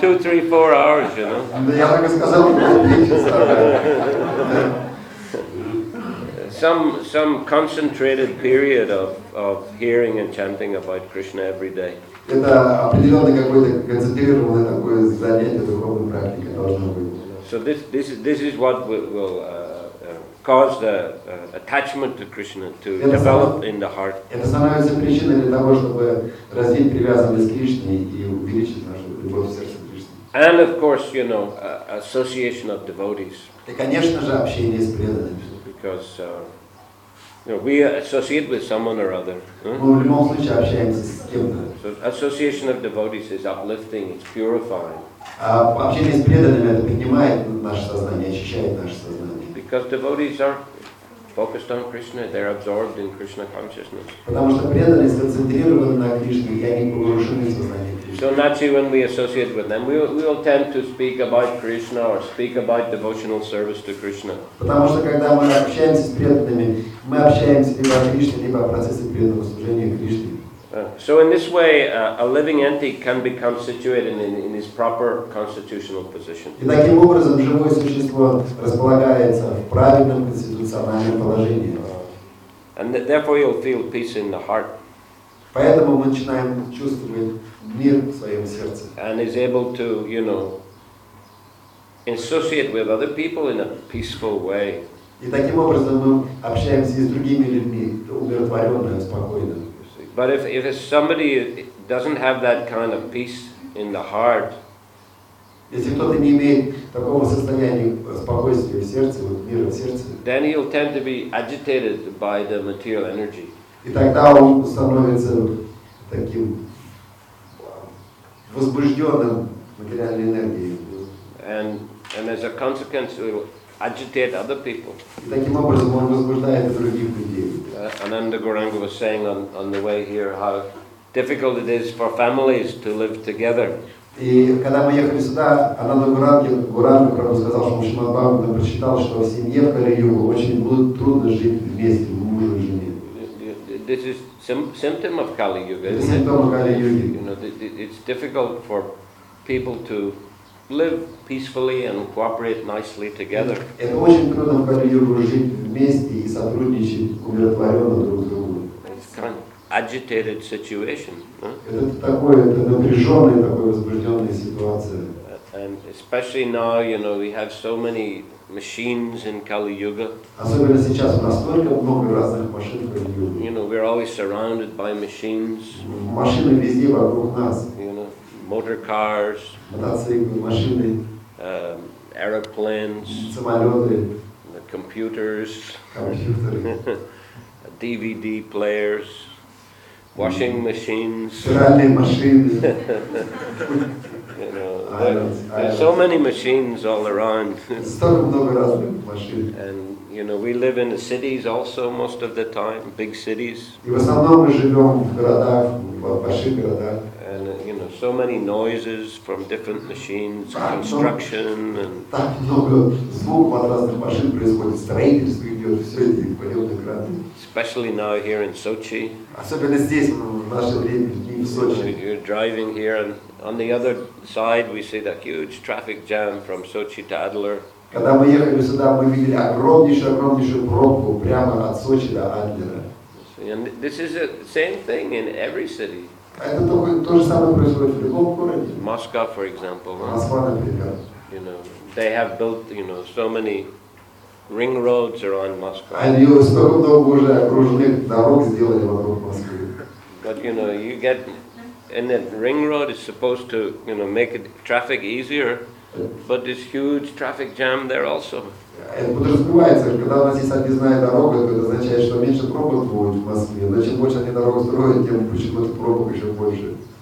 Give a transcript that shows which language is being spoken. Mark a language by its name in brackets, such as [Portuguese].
[English] 2, 3, 4 hours, Some concentrated period of hearing and chanting about Krishna every day. So this is what will cause the attachment to Krishna to develop in the heart. [Russian] Это становится причиной для того, чтобы развить привязанность к Кришне и увеличить нашу любовь в сердце к Кришне. [English] And of course, you know, association of devotees. [Russian] И, конечно же, общение с преданными. [English] Because you know, we associate with someone or other. [Russian] Мы в любом случае общаемся с кем-то. [English] So association of devotees is uplifting, it's purifying. [Russian] Общение с преданными это поднимает наше сознание, очищает наше сознание. [English] Because devotees are focused on Krishna, they're absorbed in Krishna consciousness. [Russian] Потому что преданные сконцентрированы на Кришне, и они погружены в сознание. [English] So naturally, when we associate with them, we will tend to speak about Krishna or speak about devotional service to Krishna. [Russian] Потому что когда мы общаемся с преданными, мы общаемся либо о Кришне, либо о процессе преданного служения Кришне. [English] So in this way, a living entity can be constituted in his proper constitutional position. [Russian] И таким образом живое существо располагается в правильном конституциональном положении. [English] And therefore, you'll feel peace in the heart. [Russian] Поэтому мы начинаем чувствовать мир в своем сердце. [English] And is able to, you know, associate with other people in a peaceful way. [Russian] И таким образом мы общаемся с другими людьми умиротворенно, спокойно. [English] But if somebody doesn't have that kind of peace in the heart, [Russian] если кто-то не имеет такого состояния спокойствия в сердце, вот мира в сердце, [English] then he'll tend to be agitated by the material energy. [Russian] И тогда он становится таким возбужденным материальной энергией. [English] And as a consequence, it'll agitate other people. [Russian] И таким образом он возбуждает других людей. [English] Ananda Gauranga was saying on the way here how difficult it is for families to live together. [Russian] И когда мы ехали сюда, Ананда Гуранга сказал, что Шримад Бхагаватам прочитал, что в семье в Кали-Юге очень трудно жить вместе, мужу и жене. [English] This is symptom of Kali-Yuga. [Russian] Это симптом Кали-Юги. [English] You know, it's difficult for people to live peacefully and cooperate nicely together. [Russian] Это очень трудно в Кали-Юге жить вместе и сотрудничать умиротворенно друг с другом. [English] It's kind of agitated situation. [Russian] Это напряженная, такая возбужденная ситуация. [English] And especially now, you know, we have so many machines in Kali-Yuga. [Russian] Особенно сейчас у нас столько много разных машин в Кали-Юге. [English] You know, we're always surrounded by machines. [Russian] Машины везде вокруг нас. [English] You know, motor cars, [Russian] машины, [English] aeroplanes, [Russian] самолеты, [English] computers, [Russian] компьютеры, [English] DVD players, washing machines, [Russian] стиральные машины. [English] You know, there's so many machines all around. [Russian] Столько много разных машин. [English] And you know, we live in the cities also most of the time, big cities. [Russian] И в основном мы живем в городах, в больших городах. [English] And you know, so many noises from different machines, construction, and [Russian] так много звуков от разных машин происходит, строительство идет, все эти полеты краны. [English] Especially now here in Sochi. [Russian] Особенно здесь в наше время, в Сочи. [English] You're driving here, and on the other side we see that huge traffic jam from Sochi to Adler. [Russian] Когда мы ехали сюда, мы видели огромнейшую пробку прямо от Сочи до Адлера. [English] And this is the same thing in every city. [Russian] Это то же самое происходит в любом городе. [English] Moscow, for example. [Russian] Москва, например. [English] You know, they have built, you know, so many ring roads around Moscow. [Russian] Они столько много уже окружных дорог сделали вокруг Москвы. [English] But you know, you get, and that ring road is supposed to, you know, make traffic easier, but this huge traffic jam there also. [Russian] Это подразумевается, когда у нас есть объездная дорога, это означает, что меньше пробок будет в Москве. Но чем больше они дорогу строят, тем почему этот пробок еще больше.